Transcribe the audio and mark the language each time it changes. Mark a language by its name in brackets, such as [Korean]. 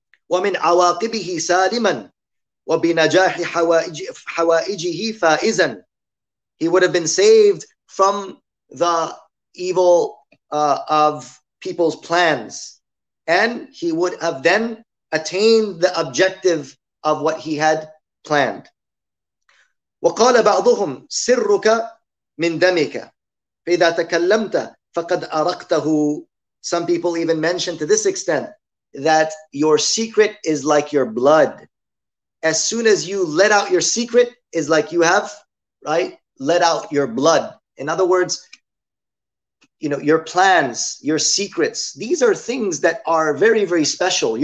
[Arabic] وَمِنْ عَوَاقِبِهِ سَالِمًا وَبِنَجَاحِ حَوَائِجِهِ فَائِزًا. [English] He would have been saved from the evil of people's plans, and he would have then attained the objective of what he had planned. [Arabic] وقال بعضهم سرك من دمك فإذا تكلمت فقد أرقته. [English] Some people even mention to this extent that your secret is like your blood. As soon as you let out your secret, is like you have, right, let out your blood. In other words, you know, your plans, your secrets, these are things that are very, very special.